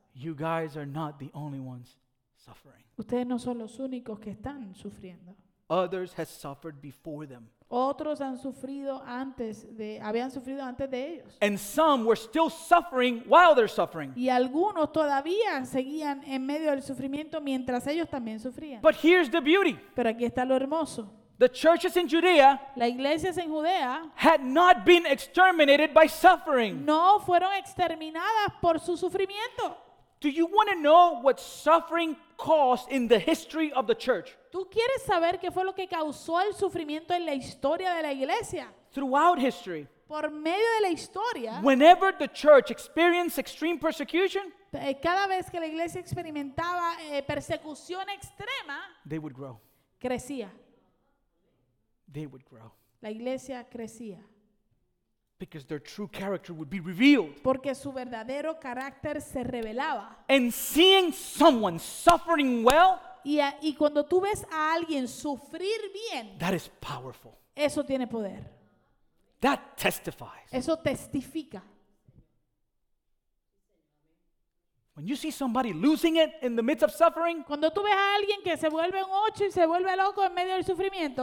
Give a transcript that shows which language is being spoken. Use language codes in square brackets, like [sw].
[en] You guys are not the only ones suffering. [es] Ustedes no son los únicos que están sufriendo. [en] Others have suffered before them. [es] Otros habían sufrido antes de ellos. [en] And some were still suffering while they're suffering. [es] Y algunos todavía seguían en medio del sufrimiento mientras ellos también sufrían. [en] But here's the beauty. [es] Pero aquí está lo hermoso. [en] The churches in Judea, [es] las iglesias en Judea, [en] had not been exterminated by suffering. [es] No fueron exterminadas por su sufrimiento. [en] Do you want to know what suffering caused in the history of the church? [es] ¿Tú quieres saber qué fue lo que causó el sufrimiento en la historia de la iglesia? [en] Throughout history. [es] Por medio de la historia. [en] Whenever the church experienced extreme persecution, [es] cada vez que la iglesia experimentaba persecución extrema, [en] they would grow. [es] Crecía. [en] They would grow. [es] La iglesia crecía. [en] Because their true character would be revealed. [es] Porque su verdadero carácter se revelaba. [en] And seeing someone suffering well, [es] y cuando tú ves a alguien sufrir bien, [en] that is powerful. [es] Eso tiene poder. [en] That testifies. [es] Eso testifica. [en] When you see somebody losing it in the midst of suffering, [es] cuando tú ves a alguien que se vuelve un ocho y se vuelve loco en medio del sufrimiento,